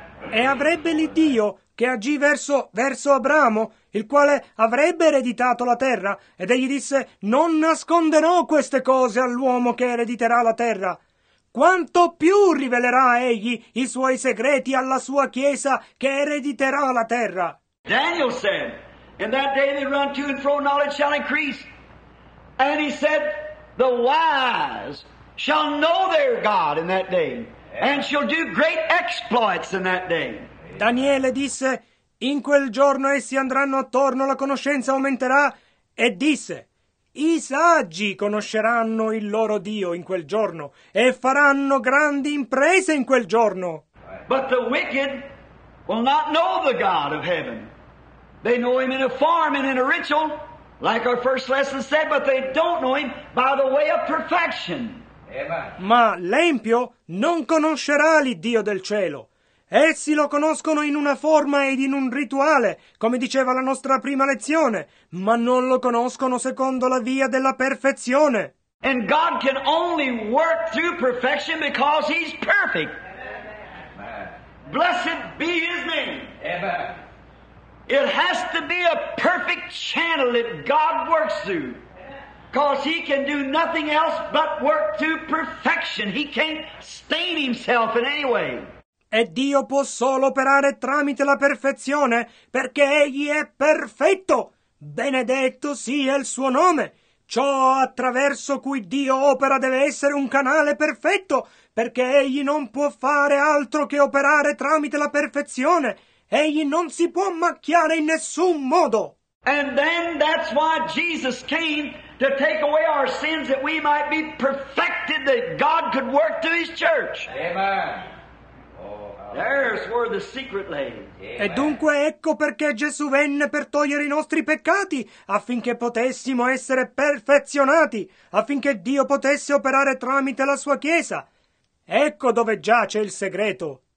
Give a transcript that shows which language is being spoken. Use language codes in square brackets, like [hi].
[it] E avrebbe l'Iddio che agì verso Abramo, il quale avrebbe ereditato la terra, ed egli disse, non nasconderò queste cose all'uomo che erediterà la terra. Quanto più rivelerà egli i suoi segreti alla sua chiesa che erediterà la terra. [en] Daniel said, in that day they run to and fro, knowledge shall increase. And he said, the wise shall know their God in that day, and shall do great exploits in that day. [it] Daniele disse, in quel giorno essi andranno attorno, la conoscenza aumenterà, e disse, i saggi conosceranno il loro Dio in quel giorno e faranno grandi imprese in quel giorno. [en] But the wicked will not know the God of heaven. They know him in a form and in a ritual, like our first lesson said, but they don't know him by the way of perfection. [it] Ma l'empio non conoscerà l'Iddio del cielo. Essi lo conoscono in una forma ed in un rituale, come diceva la nostra prima lezione, ma non lo conoscono secondo la via della perfezione. [en] And God can only work through perfection because he's perfect. Amen. Blessed be his name. Amen. It has to be a perfect channel that God works through. Because he can do nothing else but work through perfection. He can't stain himself in any way. [it] E Dio può solo operare tramite la perfezione, perché egli è perfetto. Benedetto sia il suo nome. Ciò attraverso cui Dio opera deve essere un canale perfetto, perché egli non può fare altro che operare tramite la perfezione. Egli non si può macchiare in nessun modo. [en] And then that's why Jesus came to take away our sins, that we might be perfected, that God could work through his church. Amen. There's where the secret lay. [it] E dunque ecco perché Gesù venne per togliere i nostri peccati, affinché potessimo essere perfezionati, affinché Dio potesse operare tramite la sua Chiesa. Ecco dove giace il segreto.